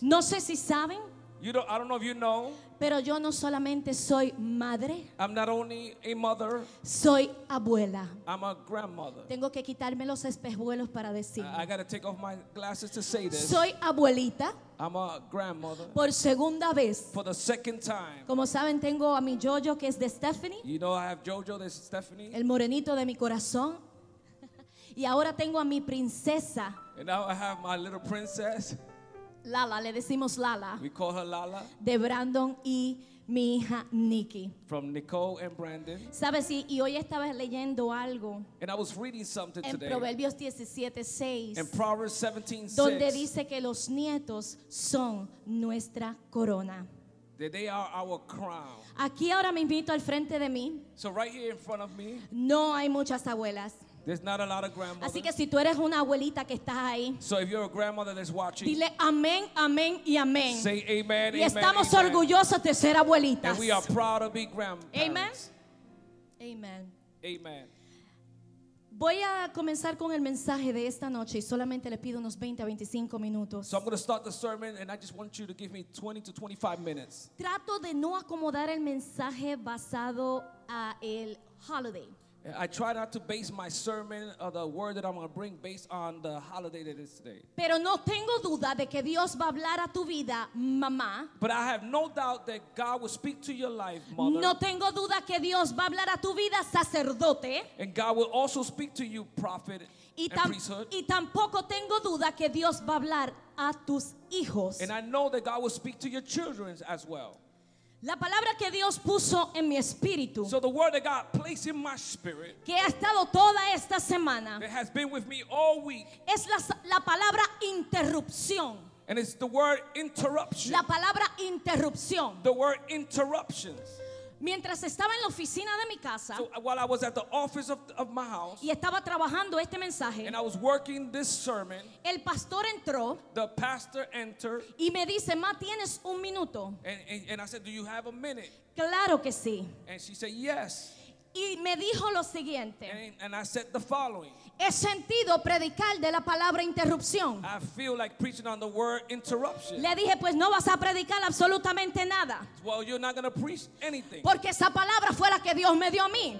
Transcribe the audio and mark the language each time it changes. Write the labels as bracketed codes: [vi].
[es] No sé si saben, [en] you don't, I don't know if you know, [es] pero yo no solamente soy madre, [en] I'm not only a mother, [es] soy abuela, [en] I'm a grandmother. [es] Tengo que quitarme los espejuelos para decir, [en] I gotta take off my glasses to say this. [es] Soy abuelita. [en] I'm a grandmother. [es] Por segunda vez. [en] For the second time. [es] Como saben, tengo a mi Jojo, que es de Stephanie. [en] You know I have Jojo, this is Stephanie. [es] El morenito de mi corazón. Y ahora tengo a mi princesa. [en] And now I have my little princess. [es] Lala, le decimos Lala. [en] We call her Lala. [es] De Brandon y mi hija Nikki. [en] From Nicole and Brandon. [es] ¿Sabes? Y hoy estaba leyendo algo. [en] And I was reading something [es] en [en] today. [es] En Proverbios 17:6. [en] In Proverbs 17:6. [es] Donde dice que los nietos son nuestra corona. [en] That they are our crown. [es] Aquí ahora me invito al frente de mí. [en] So right here in front of me. [es] No hay muchas abuelas. [en] There's not a lot of grandmothers. [es] Así que si tú eres una abuelita que está ahí, [en] so if you're a grandmother that's watching, [es] dile amén, amén y amén. [en] Say amen, amen. [es] Y estamos orgullosos de ser abuelitas. [en] And we are proud to be grandparents. [es] Amen. Amen. [en] Amen. [es] Voy a comenzar con el mensaje de esta noche y solamente le pido unos 20 a 25 minutos. [en] So I'm going to start the sermon and I just want you to give me 20 to 25 minutes. [es] Trato de no acomodar el mensaje basado a el holiday. [en] I try not to base my sermon or the word that I'm going to bring based on the holiday that is today. [es] Pero no tengo duda de que Dios va a hablar a tu vida, mamá. [en] But I have no doubt that God will speak to your life, mother. [es] No tengo duda que Dios va a hablar a tu vida, sacerdote. [en] And God will also speak to you, prophet and priesthood. [es] Y tampoco tengo duda que Dios va a hablar a tus hijos. [en] And I know that God will speak to your children as well. [es] La palabra que Dios puso en mi espíritu, [en] so the word that God placed in my spirit, [es] que ha estado toda esta semana, [en] that has been with me all week, [es] es la palabra interrupción. [en] And it's the word interruption. [es] La palabra interrupción. [en] The word interruptions. [es] Mientras estaba en la oficina de mi casa, [en] so while I was at the office of my house, [es] y estaba trabajando este mensaje, [en] and I was working this sermon, [es] el pastor entró, [en] the pastor entered, [es] y me dice, Ma, ¿tienes un minuto? [en] And I said, do you have a minute? [es] Claro que sí. [en] And she said, yes. [es] Y me dijo lo siguiente. [en] And I said the following. [es] He sentido predicar de la palabra interrupción. [en] I feel like preaching on the word interruption. [es] Le dije, pues no vas a predicar absolutamente nada. [en] Well, you're not going to preach anything. [es] Porque esa palabra fue la que Dios me dio a mí.